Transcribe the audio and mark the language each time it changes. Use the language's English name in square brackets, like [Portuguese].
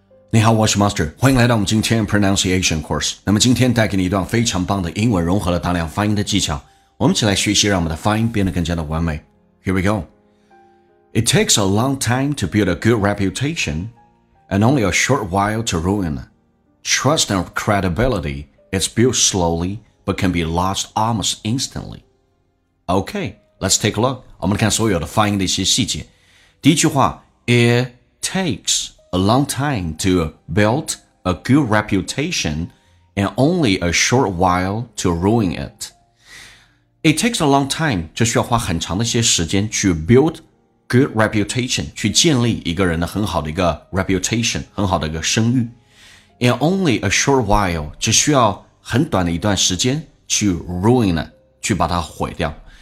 [Chinese] 你好，我是 Master， 欢迎来到我们今天 [English] Pronunciation Course。 [Chinese] 那么今天带给你一段非常棒的英文，融合了大量发音的技巧，我们一起来学习，让我们的发音变得更加的完美。 [English] Here we go. It takes a long time to build a good reputation and only a short while to ruin. Trust and credibility is built slowly but can be lost almost instantly. Okay, let's take a look. [Chinese] 我们来看所有的发音的一些细节。第一句话， [English] It takesA long time to build a good reputation and only a short while to ruin it. It takes a long time, [Chinese] 就需要花很长的一些时间去 [English] build good reputation, [Chinese] 去建立一个人的很好的一个 reputation, 很好的一个声誉。 [English] And only a short while, [Chinese] 只需要很短的一段时间去 [English] ruin it, [Chinese] 去把它毁掉。